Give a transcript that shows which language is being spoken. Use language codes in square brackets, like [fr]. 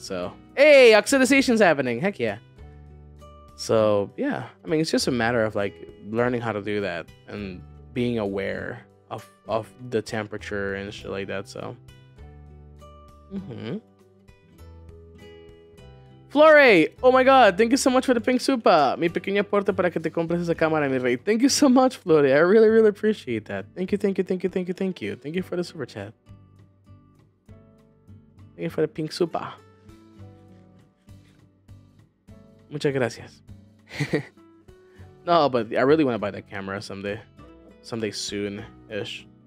[en] So, hey, oxidization's happening. Heck yeah. So, yeah. I mean, it's just a matter of like learning how to do that and being aware of the temperature and shit like that. So, Flore, oh my god, thank you so much for the pink super. [es] Mi pequeño aporte para que te compres esa cámara, mi rey. [en] Thank you so much, Flore. I really, really appreciate that. Thank you. Thank you for the super chat. Thank you for the pink super. [es] Muchas gracias. [en] No, but I really want to buy that camera someday. Someday soon-ish.